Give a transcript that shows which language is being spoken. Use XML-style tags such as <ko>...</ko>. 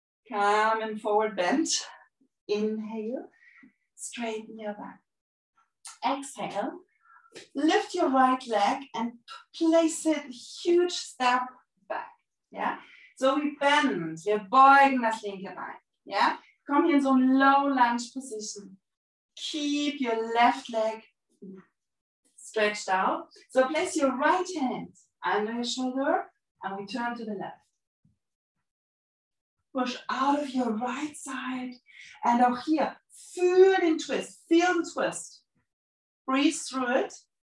<en>Come and forward bend. Inhale, straighten your back. Exhale, lift your right leg and place it huge step back. Yeah. So we bend.</en> <de>Wir beugen das linke Bein.</de> <en>Yeah.</en> <de>Komm hier in so einen</de> <en>low lunge position. Keep your left leg stretched out. So place your right hand under your shoulder and we turn to the left. Push out of your right side. And</en> <de>auch hier, fühl den Twist,</de> <en>feel the twist. Breathe through it.</en>